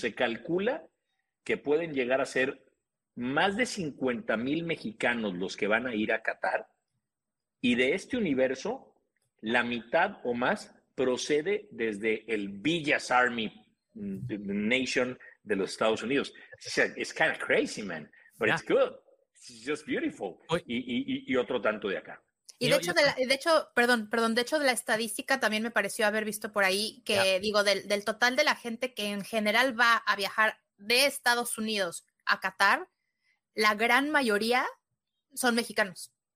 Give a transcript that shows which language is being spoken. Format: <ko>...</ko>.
<es>Se calcula que pueden llegar a ser más de 50 mil mexicanos los que van a ir a Qatar, y de este universo, la mitad o más procede desde el Villas Army Nation de los Estados Unidos.</es> <en>It's kind of crazy, man, but yeah. It's good. It's just beautiful.</en> <es>Y otro tanto de acá. Y de hecho, de la estadística también me pareció haber visto por ahí que, yeah, digo, del total de la gente que en general va a viajar de Estados Unidos a Qatar, la gran mayoría son mexicanos.</es>